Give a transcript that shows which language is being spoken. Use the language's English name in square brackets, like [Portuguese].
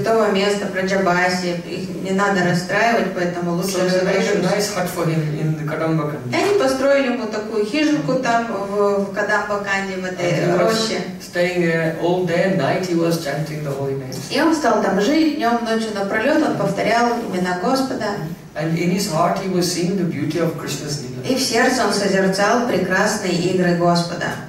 [Russian] Святого места, Праджабаси, их не надо расстраивать, поэтому лучше so закрыть. Они построили ему такую хижинку там в Кадамбаканде, в этой роще. [English] Staying all day and night, he was chanting the holy names. [Russian] И он стал там жить днем, ночью напролет, он повторял имена Господа. [English] And in his heart, he was seeing the beauty of Krishna's lila. [Russian] И в сердце он созерцал прекрасные игры Господа.